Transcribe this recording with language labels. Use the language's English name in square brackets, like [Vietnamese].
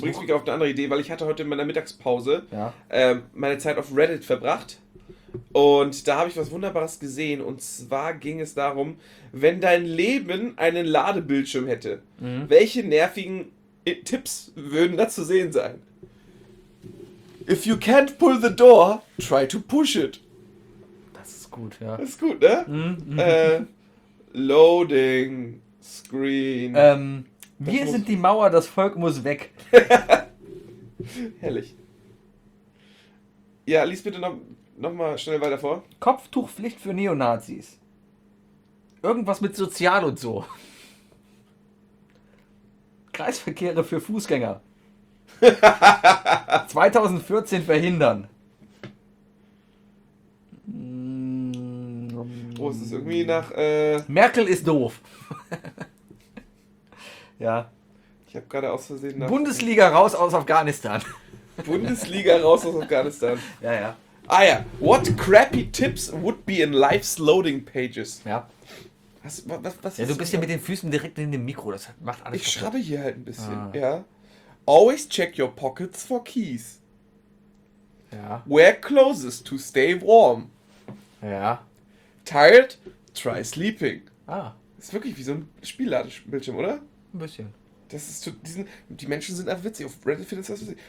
[German] Buch auf eine andere Idee, weil ich hatte heute in meiner Mittagspause meine Zeit auf Reddit verbracht. Und da habe ich was Wunderbares gesehen. Und zwar ging es darum, wenn dein Leben einen Ladebildschirm hätte, welche nervigen Tipps würden da zu sehen sein? [English] If you can't pull the door, try to push it. [German] Das ist gut, ja. Das ist gut, ne? Mm-hmm. [English] Loading... Screen. [German] Wir sind die Mauer, das Volk muss weg. Herrlich. Ja, lies bitte noch mal schnell weiter vor. Kopftuchpflicht für Neonazis. Irgendwas mit Sozial und so. Kreisverkehre für Fußgänger. 2014 verhindern. Oh, es ist irgendwie nach... Merkel ist doof. Ja. Ich habe gerade aus Versehen nach... Bundesliga raus aus Afghanistan. Bundesliga raus aus Afghanistan. Ja, ja. Ah ja. [English] What crappy tips would be in life's loading pages? [German] Ja. Was ja, ist du bist ja mit den Füßen direkt neben dem Mikro, das macht alles. Ich schrabbe hier halt ein bisschen, ja. [English] Always check your pockets for keys. [German] Ja. [English] Wear clothes to stay warm. [German] Ja. [English] Tired? Try sleeping. [German] Ah. Ist wirklich wie so ein Spielladebildschirm, oder? Ein bisschen. Das ist zu diesen. Die Menschen sind einfach witzig. Auf Reddit findest du das witzig.